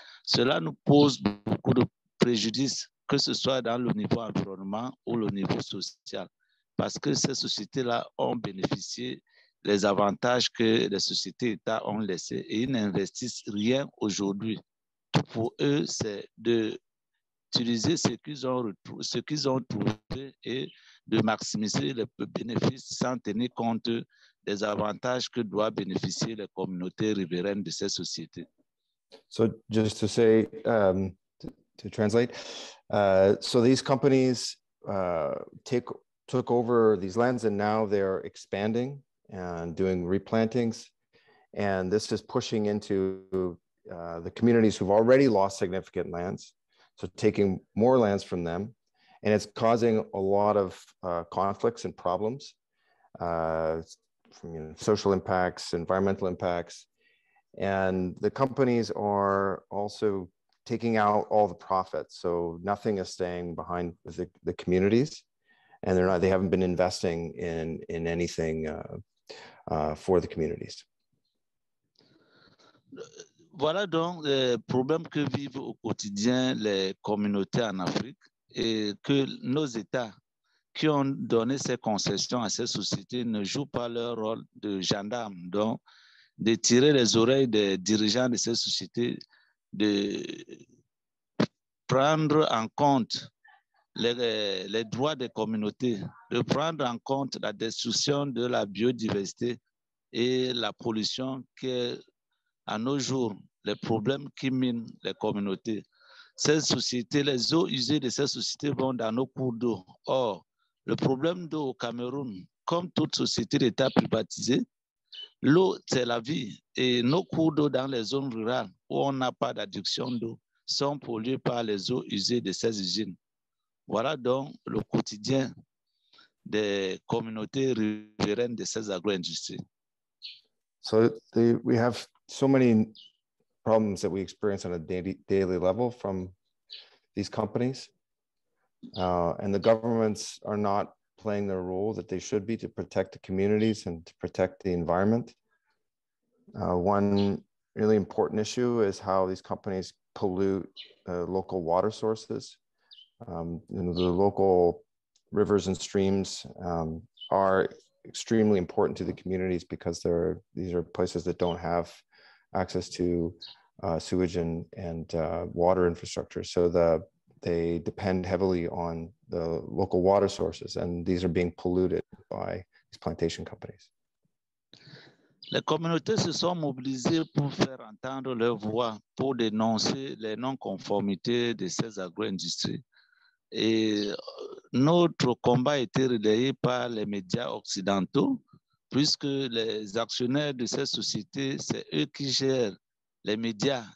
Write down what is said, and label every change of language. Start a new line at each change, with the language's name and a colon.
French: Cela nous pose beaucoup de préjudice, que ce soit dans le niveau environnement ou le niveau social, parce que ces sociétés-là ont bénéficié des avantages que les sociétés d'État ont laissés et ils n'investissent rien aujourd'hui. Tout pour eux, c'est de utiliser ce qu'ils ont trouvé et de maximiser les bénéfices sans tenir compte des avantages que doivent bénéficier les communautés riveraines de ces sociétés.
English: So just to say, to translate, so these companies took over these lands and now they're expanding and doing replantings, and this is pushing into the communities who've already lost significant lands. So taking more lands from them, and it's causing a lot of conflicts and problems, from, you know, social impacts, environmental impacts, and the companies are also taking out all the profits. So nothing is staying behind with the communities, and they haven't been investing in anything for the communities.
French: Voilà donc le problème que vivent au quotidien les communautés en Afrique et que nos États qui ont donné ces concessions à ces sociétés ne jouent pas leur rôle de gendarme, donc de tirer les oreilles des dirigeants de ces sociétés, de prendre en compte les droits des communautés, de prendre en compte la destruction de la biodiversité et la pollution que à nos jours, les problèmes qui minent les communautés. Ces sociétés, les eaux usées de ces sociétés vont dans nos cours d'eau. Or, le problème d'eau au Cameroun, comme toute société d'État privatisée, l'eau, c'est la vie. Et nos cours d'eau dans les zones rurales où on n'a pas d'adduction d'eau sont pollués par les eaux usées de ces usines. Voilà donc le quotidien des communautés riveraines de ces agro-industries.
English: So we have so many problems that we experience on a daily level from these companies. And the governments are not playing the role that they should be to protect the communities and to protect the environment. One really important issue is how these companies pollute local water sources. The local rivers and streams are extremely important to the communities because these are places that don't have access to sewage and water infrastructure. So they depend heavily on the local water sources, and these are being polluted by these plantation companies.
French: Les communautés se sont mobilisées pour faire entendre leur voix pour dénoncer les non-conformités de ces agro-industries. Et notre combat a été relayé par les médias occidentaux, puisque les actionnaires de ces sociétés, c'est eux qui gèrent les médias.